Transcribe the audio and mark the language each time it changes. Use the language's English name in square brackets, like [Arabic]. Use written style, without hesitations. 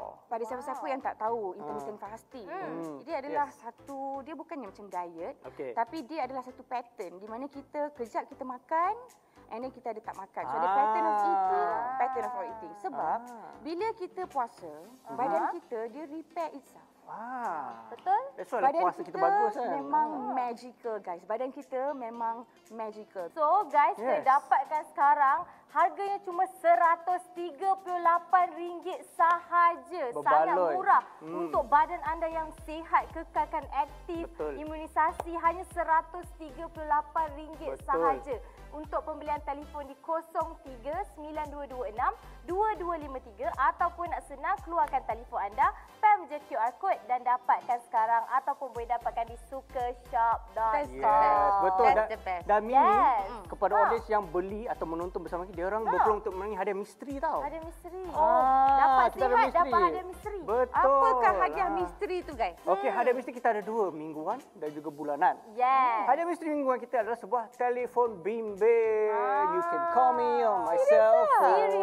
[Malay] Pada siapa-siapa yang tak tahu intermittent fasting, dia adalah satu, dia bukannya macam diet, tapi dia adalah satu pattern di mana kita kejap kita makan [English] and then [Malay] kita ada tak makan. [English] So, the pattern of eating, pattern of eating. [Malay] Sebab bila kita puasa, badan kita dia [English] repair itself. [Malay] Betul? So, badan puasa kita bagus kan? Memang magical guys. Badan kita memang magical. [English] So guys, [Malay] kita dapatkan sekarang harganya cuma RM138 sahaja. Berbaloi. Sangat murah untuk badan anda yang sihat, kekalkan aktif, imunisasi hanya RM138 sahaja. Untuk pembelian telefon di 03-9226-2253 ataupun nak senang keluarkan telefon anda, pam je QR code dan dapatkan sekarang ataupun boleh dapatkan di sukashop.com. [English] Yes, [Malay] betul. Dan Mimi, kepada audience yang beli atau menonton bersama kita, dia orang berpeluang untuk menangi hadiah misteri tau. Hadiah misteri. Dapat sihat, dapat hadiah misteri. Betul. Apakah hadiah misteri tu guys? Okey, hadiah misteri kita ada dua, mingguan dan juga bulanan. Yes. Hadiah misteri mingguan kita adalah sebuah telefon bimbang. [English] You can call me on my cell phone.